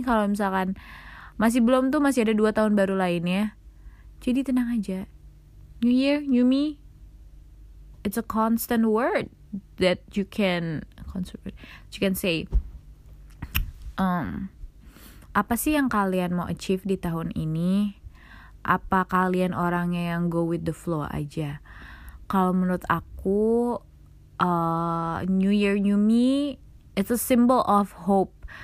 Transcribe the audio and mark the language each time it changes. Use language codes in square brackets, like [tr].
[id] Kalau misalkan masih belum tuh, masih ada 2 tahun baru lainnya. Jadi tenang aja. [en] New Year, New Me, it's a constant word that you can say. [id] Apa sih yang kalian mau achieve di tahun ini? Apa kalian orangnya yang [en] go with the flow [id] aja? Kalau menurut aku, [en] New Year, New Me, it's a symbol of hope.